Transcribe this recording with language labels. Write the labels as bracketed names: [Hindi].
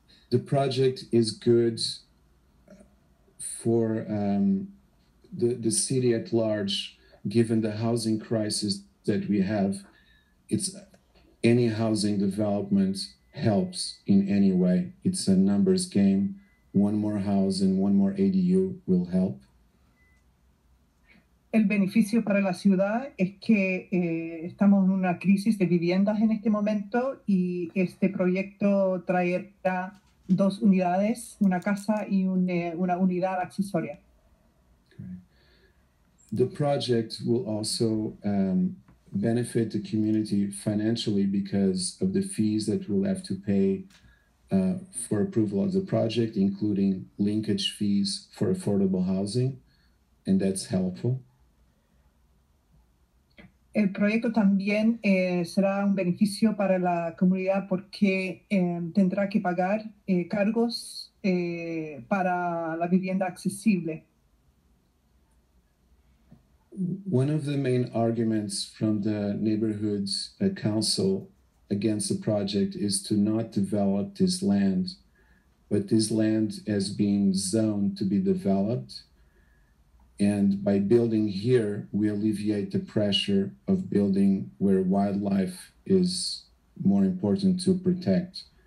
[English] The project is good for the city at large, given the housing crisis that we have. It's any housing development helps in any way. It's a numbers game. One more house and one more ADU will help. [Spanish] El beneficio para la ciudad es que estamos en una crisis de viviendas en este momento y este proyecto traerá dos unidades, una casa y una unidad accesoria. [English] Okay. The project will also benefit the community financially because of the fees that we'll have to pay for approval of the project, including linkage fees for affordable housing, and that's helpful. [Spanish] El proyecto también será un beneficio para la comunidad porque tendrá que pagar cargos para la vivienda accesible. [English] One of the main arguments from the neighborhood's council against the project is to not develop this land, but this land has been zoned to be developed. And by building here, we alleviate the pressure of building where wildlife is more important to protect.